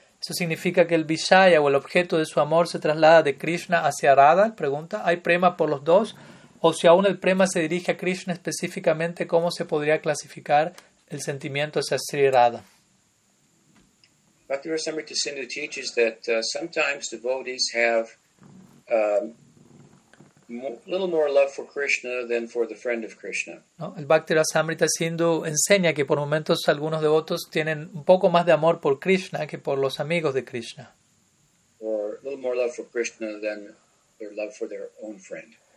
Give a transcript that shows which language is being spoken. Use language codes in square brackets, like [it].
[es] Eso significa que el visaya o el objeto de su amor se traslada de Krishna hacia Radha. Pregunta, ¿hay prema por los dos? O si aún el prema se dirige a Krishna específicamente, ¿cómo se podría clasificar el sentimiento hacia Sri Radha? [en] Bhakti Rasamrita Sindhu teaches that sometimes devotees have little more love for Krishna than for the friend of Krishna. [es] No, el Bhakti Rasamrita Sindhu enseña que por momentos algunos devotos tienen un poco más de amor por Krishna que por los amigos de Krishna. [en] Or a little more love for Krishna than their love for their own friend.